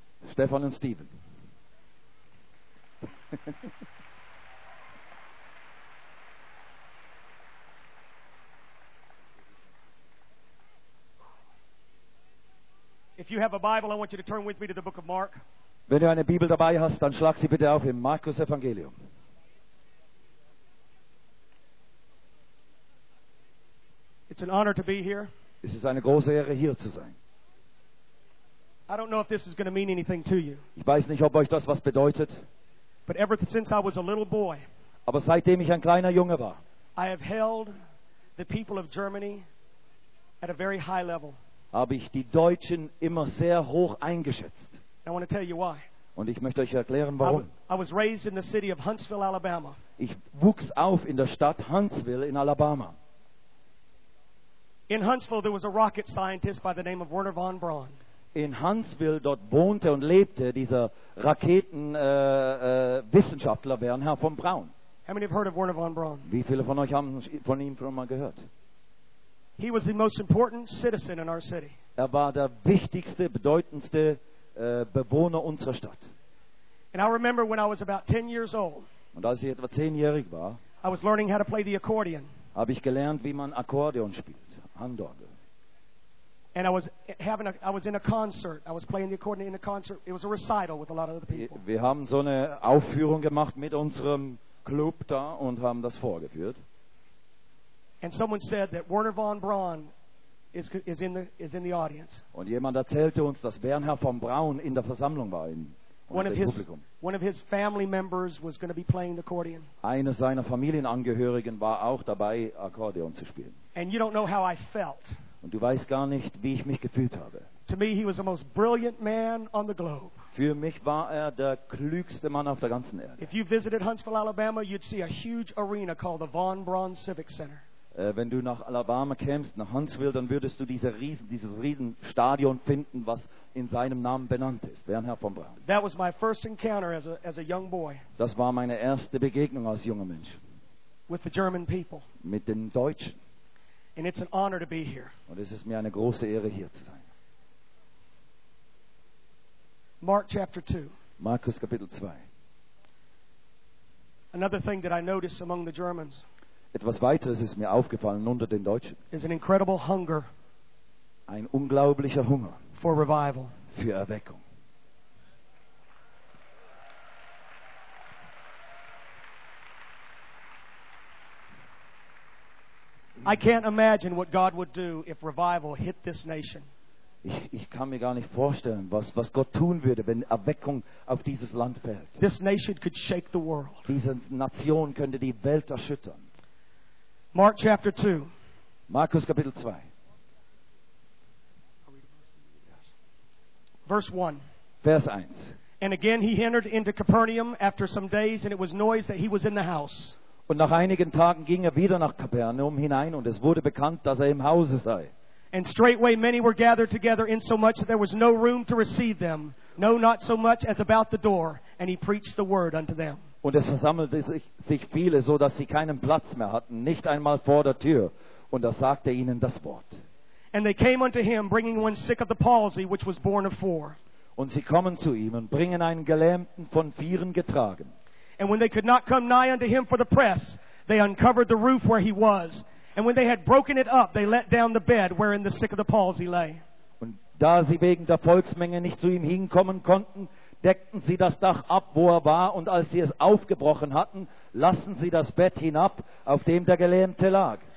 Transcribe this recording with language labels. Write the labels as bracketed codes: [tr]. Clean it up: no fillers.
[de] Stefan und Stephen. [en] If you have a Bible, I want you to turn with me to the book of Mark. [de] Wenn du eine Bibel dabei hast, dann schlag sie bitte auf im Markus Evangelium. [en] It's an honor to be here. [de] Es ist eine große Ehre, hier zu sein. [en] I don't know if this is going to mean anything to you. [de] Ich weiß nicht, ob euch das was bedeutet. [en] But ever since I was a little boy, [de] aber seitdem ich ein kleiner Junge war, [en] I have held the people of Germany at a very high level. [de] Habe ich die Deutschen immer sehr hoch eingeschätzt. [en] I want to tell you why. [de] Und ich möchte euch erklären, warum. [en] I was raised in the city of Huntsville, Alabama. [de] Ich wuchs auf in der Stadt Huntsville in Alabama. [en] In Huntsville there was a rocket scientist by the name of Wernher von Braun. [de] In Huntsville dort wohnte und lebte dieser Raketenwissenschaftler Wernher von Braun. [en] How many have heard of Wernher von Braun? [de] Wie viele von euch haben von ihm schon mal gehört? [en] He was the most important citizen in our city. [de] Er war der wichtigste, bedeutendste Bewohner unserer Stadt. [en] And I remember when I was about 10 years old. [de] Und als ich etwa 10-jährig war, [en] I was learning how to play the accordion. [de] Habe ich gelernt, wie man Akkordeon spielt, Handorgel. [en] And I was in a concert. I was playing the accordion in a concert. It was a recital with a lot of other people. [de] Wir haben so eine Aufführung gemacht mit unserem Club da und haben das vorgeführt. [en] And someone said that Wernher von Braun is in the audience. [de] Und jemand erzählte uns, dass Wernher von Braun in der Versammlung war in [en] One of his family members was going to be playing the accordion. [de] Eine seiner Familienangehörigen war auch dabei, Akkordeon zu spielen. [en] And you don't know how I felt. [de] Und du weißt gar nicht, wie ich mich gefühlt habe. [en] To me, he was the most brilliant man on the globe. [de] Für mich war der klügste Mann auf der ganzen Erde. [en] If you visited Huntsville, Alabama, you'd see a huge arena called the Von Braun Civic Center. [de] Wenn du nach Alabama kämst, nach Huntsville, dann würdest du dieses riesen Stadion finden, was in seinem Namen benannt ist, Wernher von Braun. [en] That was my first encounter as a young boy. [de] Das war meine erste Begegnung als junger Mensch. [en] With the German people. [de] Mit den Deutschen. [en] And it's an honor to be here. [de] Und es ist mir eine große Ehre, hier zu sein. [en] Mark chapter 2. [de] Markus Kapitel 2. [en] Another thing that I noticed among the Germans. [de] Etwas weiteres ist mir aufgefallen unter den Deutschen. [en] Is an incredible hunger. [de] Ein unglaublicher Hunger. [en] For revival. [de] Für Erweckung. [en] I can't imagine what God would do if revival hit this nation. [de] Ich kann mir gar nicht vorstellen, was Gott tun würde, wenn Erweckung auf dieses Land fällt. [en] This nation could shake the world. [de] Diese Nation könnte die Welt erschüttern. [en] Mark chapter 2. [de] Markus Kapitel 2. [en] Verse 1. [de] Vers 1. [en] And again he entered into Capernaum after some days, and it was noise that he was in the house. [de] Und nach einigen Tagen ging wieder nach Kapernaum hinein, und es wurde bekannt, dass im Hause sei. [en] And straightway many were gathered together, insomuch that there was no room to receive them, no, not so much as about the door, and he preached the word unto them. [de] Und es versammelte sich viele, so dass sie keinen Platz mehr hatten, nicht einmal vor der Tür. Und er sagte ihnen das Wort. [en] And they came unto him, bringing one sick of the palsy, which was born of four. [de] Und sie kommen zu ihm und bringen einen Gelähmten von vieren getragen. [en] And when they could not come nigh unto him for the press, they uncovered the roof where he was. And when they had broken it up, they let down the bed wherein the sick of the palsy lay. [de] Und da sie wegen der Volksmenge nicht zu ihm hinkommen konnten, deckten sie das Dach ab, wo er war, und als sie es aufgebrochen hatten, lassen sie das Bett hinab, auf dem der Gelähmte lag.